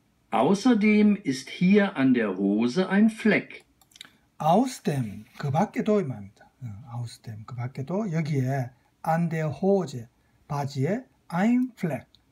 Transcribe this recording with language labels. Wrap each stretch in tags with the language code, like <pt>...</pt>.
<de>Außerdem ist hier an der Hose ein Fleck.</de> <ko>Außerdem, 그 밖에도 이 말입니다. Außerdem, 그 밖에도 여기에</ko> <de>an der Hose,</de> <ko>바지에</ko> <de>ein Fleck.</de>